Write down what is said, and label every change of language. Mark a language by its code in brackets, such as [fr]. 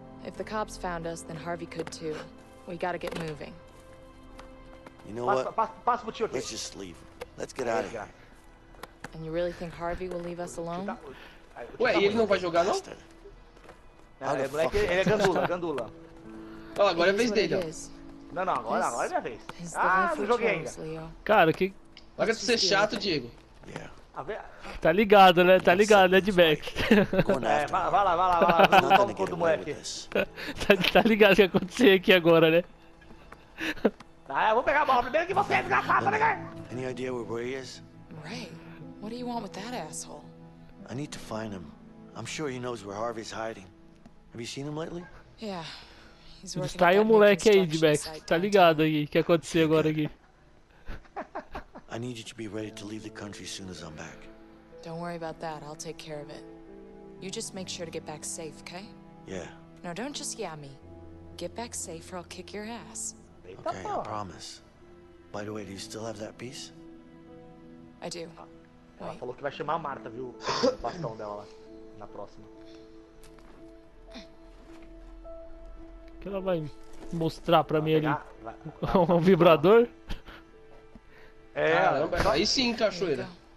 [en] If the cops found us, then Harvey could too. We gotta get moving. You know what? [pt] Passa pro tio aqui. [en] Let's just leave. Let's get out of here. And you really think Harvey will leave us alone? [pt] Ué, e ele não vai jogar, não? Não, moleque, ele é gandula. Olha lá, agora é a vez dele, ó. Não, agora é a minha vez. Ah, não joguei ainda. Cara, que... Larga de ser chato, Diego. [en] Yeah. [pt] Tá ligado, né? Tá ligado, né, Dbeck? É, vai lá. Toma o cu do moleque. Tá ligado o que aconteceu aqui agora, né? Ah, eu vou pegar a bola primeiro que você é desgraçado, né? [en] Any idea where Ray is? Ray? What do you want with that asshole? I need to find him. I'm sure he knows where Harvey's hiding. Have you seen him lately? Yeah. [pt] Distrai o moleque aí, Dbeck. Tá ligado aí o que aconteceu agora aqui. [en] I need you to be ready to leave the country as soon as I'm back. Don't worry about that. I'll take care of it. You just make sure to get back safe, okay? Yeah. No, don't just yeah me. Get back safe or I'll kick your ass. Okay, I promise. By the way, do you still have that piece? I do. [pt] Ela falou que vai chamar a Marta, viu? O bastão dela lá. Na próxima. Que ela vai mostrar pra mim ali um vibrador? É, caramba, aí sim, cachoeira.